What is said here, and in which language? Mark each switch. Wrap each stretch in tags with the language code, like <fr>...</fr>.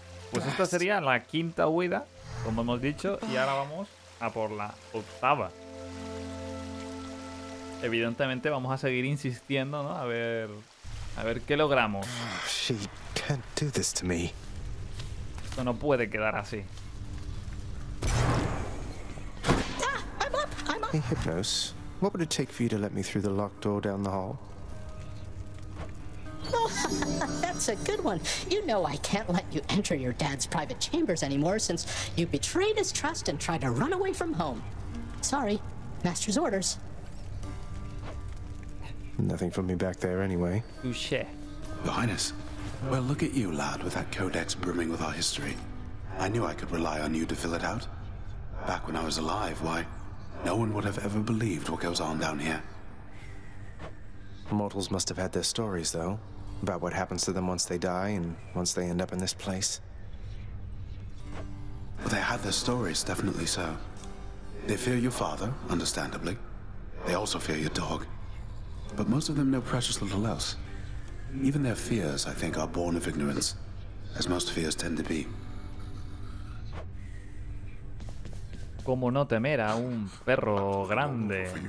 <es>Pues esta sería la quinta huida, como hemos dicho, y ahora vamos a por la octava. Evidentemente vamos a seguir insistiendo, ¿no? A ver qué logramos.</es> <en>She can't do this to me.</en> <es>Esto no puede quedar así.</es> <en>Hey, Hypnos. What would it take for you to let me through the locked door down the hall? That's a good one. You know I can't let you enter your dad's private chambers anymore since you betrayed his trust and tried to run away from home. Sorry, master's orders. Nothing from me back there anyway. Touché. Your Highness, well, look at you, lad, with that codex brimming with our history. I knew I could rely on you to fill it out. Back when I was alive, why, no one would have ever believed what goes on down here. Mortals must have had their stories, though. About what happens to them once they die, and once they end up in this place. Well, they had their stories, definitely so. They fear your father, understandably. They also fear your dog. But most of them know precious little else. Even their fears, I think, are born of ignorance, as most fears tend to be.</en> <es>¿Cómo no temer a un perro grande?</es>